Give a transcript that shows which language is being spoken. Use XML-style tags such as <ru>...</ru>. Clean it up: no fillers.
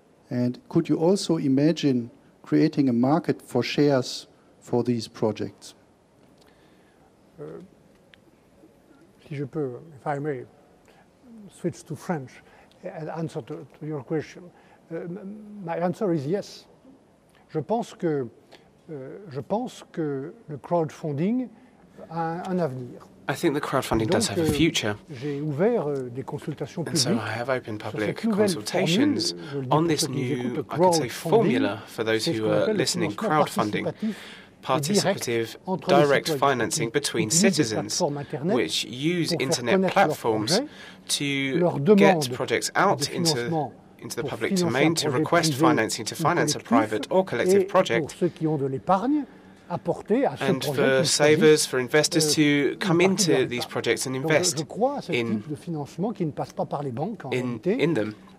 <en>And could you also imagine creating a market for shares for these projects? If I may switch to French and answer to your question. My answer is yes.</en> <fr>Je pense que le crowdfunding a un avenir.</fr> <en>I think the crowdfunding</en> <fr>donc,</fr> <en>does have a future.</en> <fr>J'ai ouvert des consultations</fr> <en>and</en> <fr>publiques.</fr> <en>So I have opened public consultations on this new, I could say, formula for those who are listening, crowdfunding. Participative direct financing between citizens, which use internet platforms to get projects out into the public domain, to request financing to finance a private or collective project, and for savers, for investors to come into these projects and invest in them.</en>